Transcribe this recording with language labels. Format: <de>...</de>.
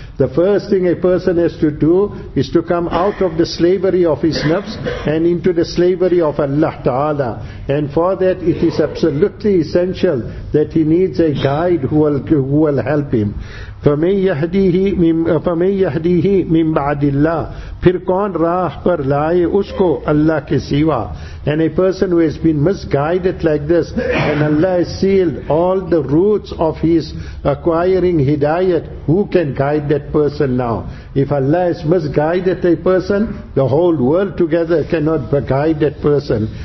<en>The first thing a person has to do is to come out of the slavery of his nafs and into the slavery of Allah Ta'ala. And for that, it is absolutely essential that he needs a guide who will help him.</en> <ar>فَمَنْ يَهْدِهِ مِنْ بَعْدِ اللَّهِ.</ar> <ur>پھر کون راہ پر لائے اس کو اللہ کے سیوا.</ur> <en>And a person who has been misguided like this, and Allah has sealed all the roots of his acquiring hidayat, who can guide that person now? If Allah has misguided a person, the whole world together cannot guide that person.</en>